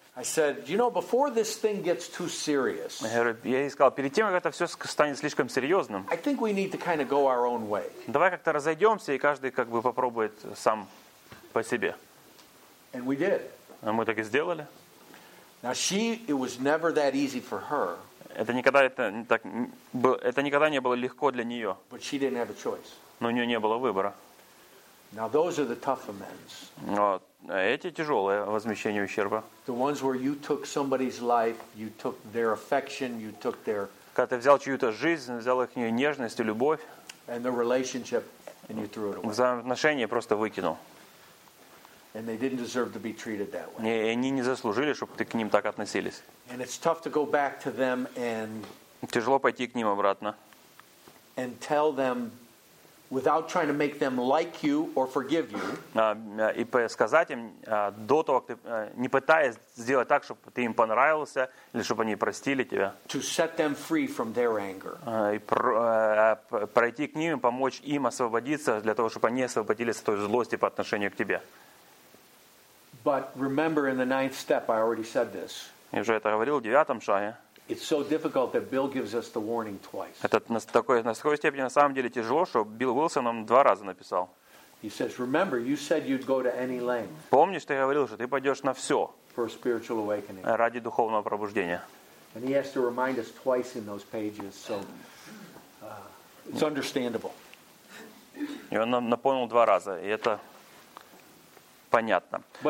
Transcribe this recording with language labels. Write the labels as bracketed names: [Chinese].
[English] I said, you know, before this thing gets too serious. [Russian] Я сказал, перед тем, как это все станет слишком серьезным. [English] I think we need to kind of go our own way. [Russian] Давай как-то разойдемся, и каждый как бы попробует сам по себе. [English] And we did. [Russian] А мы так и сделали. [English] Now she, it was never that easy for her. [Russian] Это никогда не было легко для нее. [English] But she didn't have a choice. [Russian] Но у нее не было выбора. [English] Now those are the tough amends. [Russian] Эти тяжелые возмещения ущерба. [English] The ones where you took somebody's life, you took their affection, you took their. [Russian] Когда ты взял чью-то жизнь, взял их нежность и любовь. [English] And the relationship, and you threw it away. [Russian] Взаимоотношения просто выкинул. [English] And they didn't deserve to be treated that way. [Russian] Не, они не заслужили, чтобы ты к ним так относились. [English] And it's tough to go back to them and. [Russian] Тяжело пойти к ним обратно. [English] And tell them. Without trying to make them like you or forgive you. [Russian] И сказать им до того, как ты не пытаясь сделать так, чтобы ты им понравился или чтобы они простили тебя. [English] To set them free from their anger. [Russian] И пройти к ним и помочь им освободиться для того, чтобы они освободились от той злости по отношению к тебе. [English] But remember, in the ninth step, I already said this. [Russian] Я уже это говорил в девятом шаге. [English] It's so difficult that Bill gives us the warning twice. [Russian] Это на такой степени на самом деле тяжело, что Билл Уилсон нам два раза написал. [English] He says, "Remember, you said you'd go to any length." [Russian] Помнишь, ты говорил, что ты пойдешь на все. [English] For a spiritual awakening. [Russian] Ради духовного пробуждения. [English] And he has to remind us twice in those pages, so it's understandable. [Russian] И он нам напомнил два раза, и это понятно.